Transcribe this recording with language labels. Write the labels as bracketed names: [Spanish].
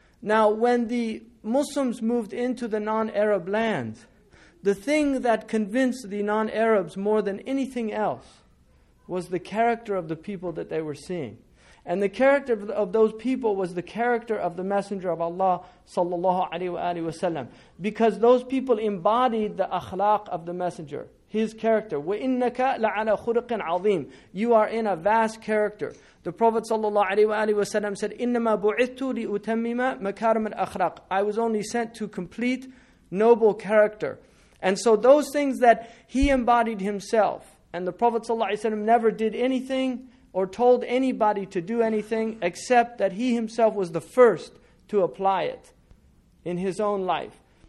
[English] Now when the Muslims moved into the non-Arab lands, the thing that convinced the non-Arabs more than anything else was the character of the people that they were seeing. And the character of those people was the character of the Messenger of Allah sallallahu alaihi wasallam, because those people embodied the akhlaq of the Messenger, his character. [Arabic] وَإِنَّكَ لَعَلَى خُلُقٍ عَظِيمٍ. [English] You are in a vast character. The Prophet ﷺ said, [Arabic] إِنَّمَا بُعِثْتُ لِأُتَمِّمَ مَكَارِمَ الْأَخْرَاقِ. [English] I was only sent to complete noble character. And so those things that he embodied himself, and the Prophet ﷺ never did anything or told anybody to do anything except that he himself was the first to apply it in his own life.